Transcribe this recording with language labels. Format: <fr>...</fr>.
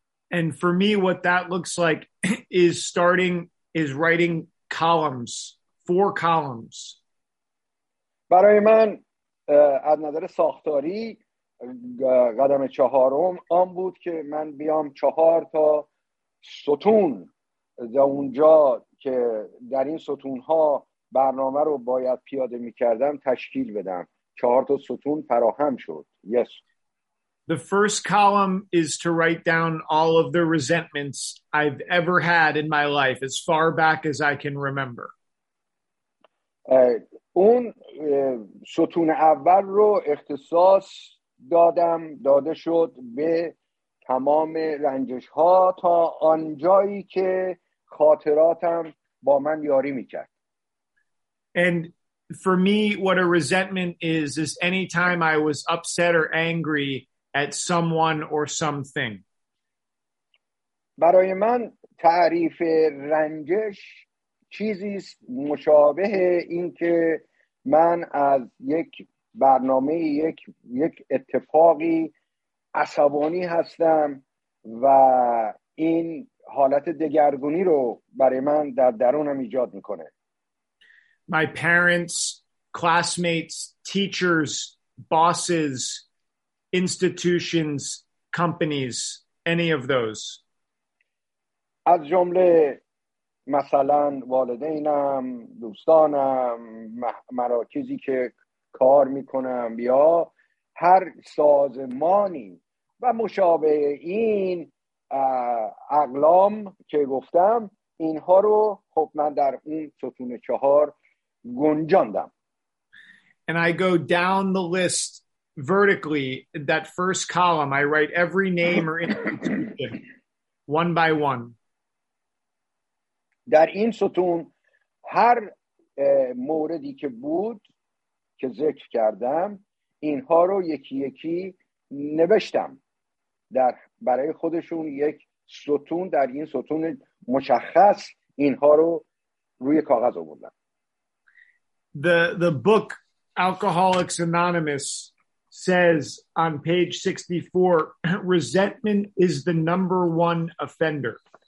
<en>And for me, what that looks like is writing columns, 4 columns.</en> <fa>برای من از نظر ساختاری قدم چهارم آن بود که من بیام 4 تا ستون در اونجا که در این ستون‌ها برنامه رو باید پیاده می‌کردم تشکیل بدم. 4 تا ستون فراهم شد. Yes.</fa> <en>The first column is to write down all of the resentments I've ever had in my life as far back as I can remember.</en> <fa>اون ستون اول رو اختصاص دادم داده شد به تمام رنجش ها تا آنجایی که خاطراتم با من یاری میکرد.</fa> <en>And for me, what a resentment is any time I was upset or angry at someone or something.</en> <fa>برای من تعریف رنجش چیزی مشابه این که من از یک برنامه یک اتفاقی عصبانی هستم و این حالت دگرگونی رو برای من در درونم ایجاد میکنه.</fa> <en>My parents, classmates, teachers, bosses, institutions, companies, any of those.</en> <fa>از جمله مثلا والدینم، دوستانم، مراکزی که کار میکنم یا هر سازمانی و مشابه این اقلام که گفتم اینها رو خب من در اون ستون چهار گنجاندم.</fa> <en>And I go down the list vertically, that first column, I write every name or institution one by one.</en> <fa>در این ستون هر موردی که بود که ذکر کردم اینها رو یکی یکی نوشتم در برای خودشون یک ستون در این ستون مشخص اینها رو روی کاغذ آوردم.</fa> <en>The book Alcoholics Anonymous says on page 64, resentment is the number one offender.</en>